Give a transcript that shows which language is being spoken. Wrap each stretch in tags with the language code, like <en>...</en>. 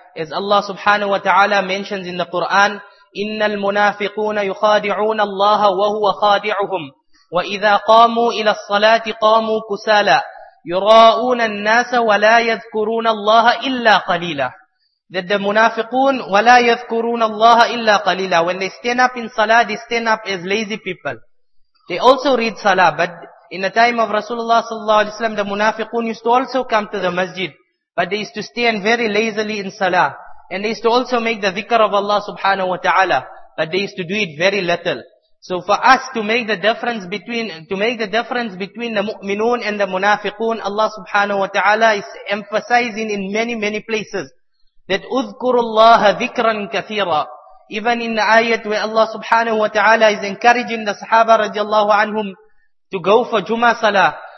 <en>As Allah subhanahu wa ta'ala mentions in the Quran,</en> <ar>إِنَّ الْمُنَافِقُونَ يُخَادِعُونَ اللَّهَ وَهُوَ خَادِعُهُمْ وَإِذَا قَامُوا إِلَى الصَّلَاةِ قَامُوا كُسَالًا يُرَاءُونَ النَّاسَ وَلَا يَذْكُرُونَ اللَّهَ إِلَّا قَلِيلًا.</ar> <en>That the munafiqun,</en> <ar>وَلَا يَذْكُرُونَ اللَّهَ إِلَّا قَلِيلًا.</ar> <en>When they stand up in salah, they stand up as lazy people. They also read salah, but in the time of Rasulullah sallallahu alaihi wasallam, the munafiqun used to also come to the masjid, but they used to stand very lazily in salah, and they used to also make the dhikr of Allah subhanahu wa ta'ala, but they used to do it very little. So for us to make the difference between the mu'minun and the munafiqun, Allah subhanahu wa ta'ala is emphasizing in many, many places that udhkurullaha dhikran kathira. Even in the ayat where Allah subhanahu wa ta'ala is encouraging the sahaba radiallahu anhum to go for Jummah salah,</en>